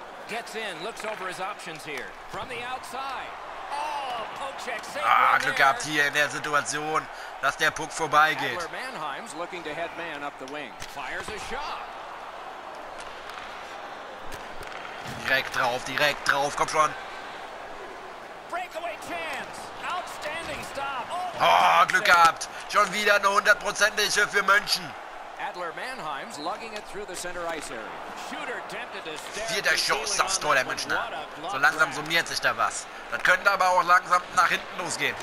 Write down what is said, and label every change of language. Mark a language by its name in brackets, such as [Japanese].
[English] Gets in, looks over his options here. From the outside. Oh, poke check, save. [German] Ah, Glück gehabt hier in der Situation, dass der Puck vorbeigeht. [English] Adler, Mannheim's looking to head man up the wing. Fires a shot. [German] Direkt drauf, komm schon. [English] Breakaway chance. Outstanding stop. [German] Oh, Glück gehabt. Schon wieder eine hundertprozentige für München. [English] Adler Mannheim's lugging it through the center ice area. Shooter tempted to stare. [German] Vierter Schuss aufs Tor der Münchner. So langsam summiert sich da was. Das könnte aber auch langsam nach hinten losgehen.